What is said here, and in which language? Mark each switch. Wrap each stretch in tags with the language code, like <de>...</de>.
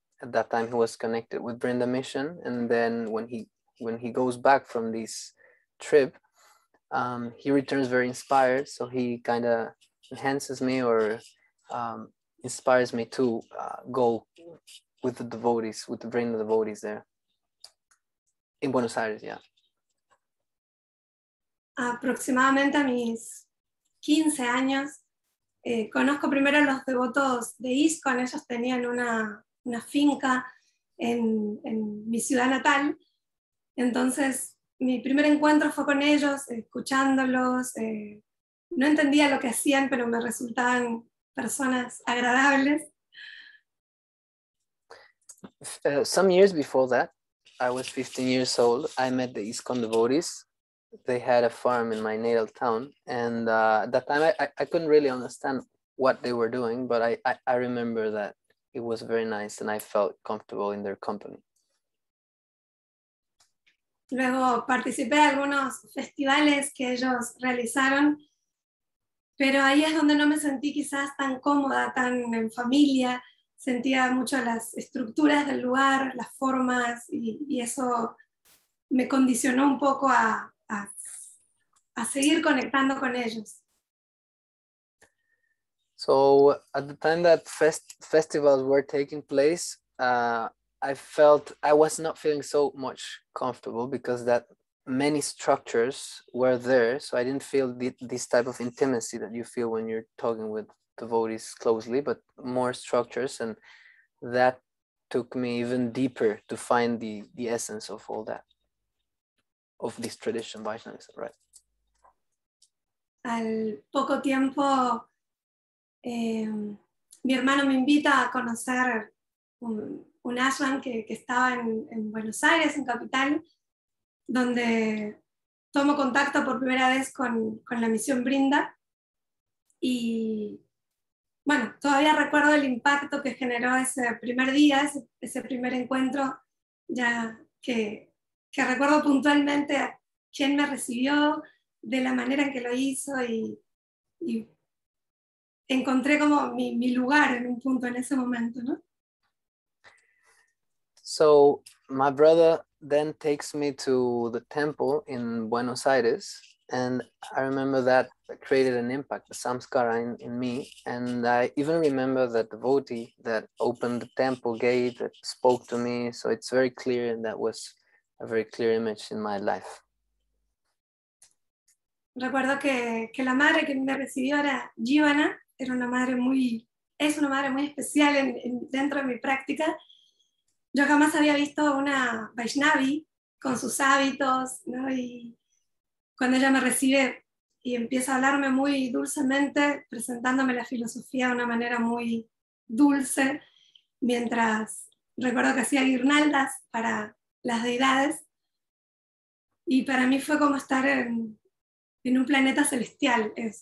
<en>At that time, he was connected with Brenda Mission. And then when he goes back from this trip, he returns very inspired. So he kind of enhances me or inspires me to go with the devotees, with the Brenda devotees there in Buenos Aires, yeah.</en> <es>Aproximadamente a mis 15 años, conozco primero a los devotos de ISKCON. Ellos tenían una finca en mi ciudad natal. Entonces, mi primer encuentro fue con ellos, escuchándolos. No entendía lo que hacían, pero me resultaban personas agradables.</es> <en>Some years before that, I was 15 years old, I met the ISKCON devotees. They had a farm in my natal town, and at that time I couldn't really understand what they were doing, but I remember that it was very nice and I felt comfortable in their company.</en> <es>Luego participé de algunos festivales que ellos realizaron, pero ahí es donde no me sentí quizás tan cómoda, tan en familia. Sentía mucho las estructuras del lugar, las formas, y eso me condicionó un poco a seguir conectando con ellos.</es> <en>So at the time that festivals were taking place, I was not feeling so much comfortable because that many structures were there. So I didn't feel this type of intimacy that you feel when you're talking with devotees closely, but more structures. And that took me even deeper to find the essence of all that, of this tradition, Vaishnavism, right?</en> <es>Al poco tiempo, mi hermano me invita a conocer un ashram que estaba en Buenos Aires, en Capital, donde tomo contacto por primera vez con la misión Brinda. Y bueno, todavía recuerdo el impacto que generó ese primer día, ese primer encuentro, ya que recuerdo puntualmente a quién me recibió, de la manera en que lo hizo, y encontré como mi lugar en un punto en ese momento, ¿no?</es> <en>So my brother then takes me to the temple in Buenos Aires, and I remember that created an impact, the samskara in me. And I even remember that the devotee that opened the temple gate that spoke to me. So it's very clear, and that was a very clear image in my life.</en> <es>Recuerdo que la madre que me recibió era Jivana, es una madre muy especial dentro de mi práctica. Yo jamás había visto una Vaishnavi con sus hábitos, ¿no? Y cuando ella me recibe y empieza a hablarme muy dulcemente, presentándome la filosofía de una manera muy dulce, mientras recuerdo que hacía guirnaldas para las deidades, y para mí fue como estar en un planeta celestial.</es>